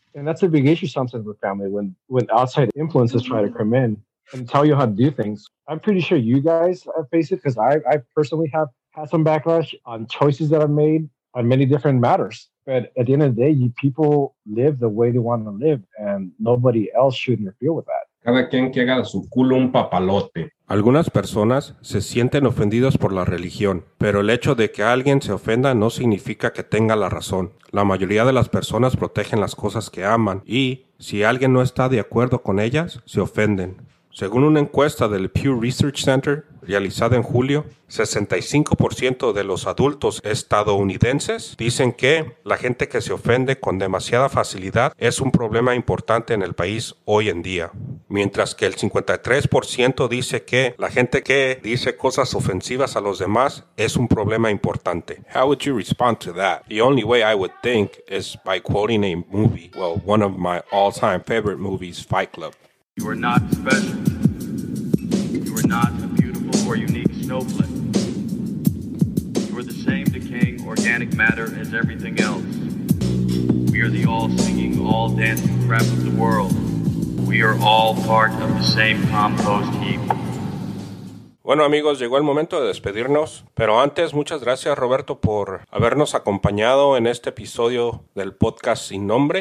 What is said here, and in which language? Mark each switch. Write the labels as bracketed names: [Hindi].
[English] And that's a big issue sometimes with family when outside influences try to come in and tell you how to do things. I'm pretty sure you guys face it because I personally have had some backlash on choices that I've made on many different matters. But at the end of the day, people live the way they want to live and nobody else should interfere with that. [Spanish] Cada quien que haga su culo un papalote. Algunas personas se sienten ofendidas por la religión, pero el hecho de que alguien se ofenda no significa que tenga la razón. La mayoría de las personas protegen las cosas que aman y, si alguien no está de acuerdo con ellas, se ofenden. Según una encuesta del Pew Research Center realizada en julio, 65% de los adultos estadounidenses dicen que la gente que se ofende con demasiada facilidad es un problema importante en el país hoy en día. Mientras que el 53% dice que la gente que dice cosas ofensivas a los demás es un problema importante. [English] How would you respond to that? The only way I would think is by quoting a movie. Well, one of my all-time favorite movies, Fight Club. You are not special. You are not a beautiful or unique snowflake. You are the same decaying organic matter as everything else. We are the all-singing, all-dancing crap of the world. We are all part of the same compost heap. [Spanish] Bueno, amigos, llegó el momento de despedirnos. Pero antes, muchas gracias, Roberto, por habernos acompañado en este episodio del podcast Sin Nombre.